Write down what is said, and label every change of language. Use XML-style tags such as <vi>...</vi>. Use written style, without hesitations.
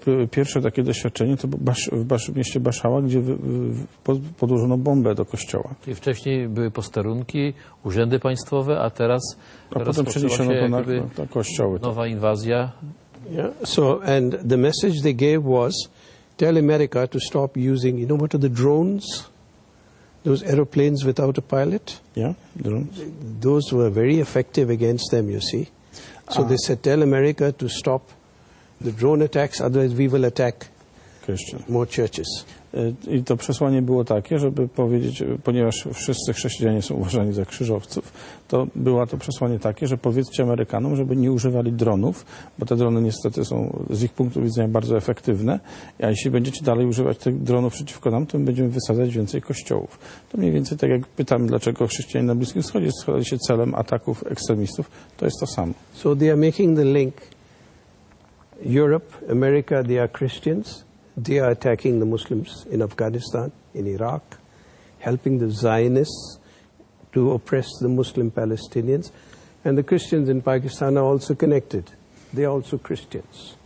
<pl>Pierwsze takie doświadczenie to w mieście Baszała, gdzie podłożono bombę do kościoła. I wcześniej były posterunki, urzędy państwowe, a teraz potem przeniesiono to na kościoły. Nowa inwazja.</pl> <en>Yeah. So and the message they gave was tell America to stop using, you know what are the drones? Those aeroplanes without a pilot? Yeah, drones. Those were very effective against them, you see. So they said tell America to stop the drone attacks, otherwise we will attack Christian. More churches.</en> <pl>I to przesłanie było takie, żeby powiedzieć, ponieważ wszyscy chrześcijanie są uważani za krzyżowców, to było to przesłanie takie, że powiedzcie Amerykanom, żeby nie używali dronów, bo te drony niestety są z ich punktu widzenia bardzo efektywne, a jeśli będziecie dalej używać tych dronów przeciwko nam, to my będziemy wysadzać więcej kościołów. To mniej więcej tak jak pytam, dlaczego chrześcijanie na Bliskim Wschodzie stali się celem ataków ekstremistów, to jest to samo.</pl> <en>So they are making the link. Europe, America, they are Christians. They are attacking the Muslims in Afghanistan, in Iraq, helping the Zionists to oppress the Muslim Palestinians. And the Christians in Pakistan are also connected. They are also Christians.</en>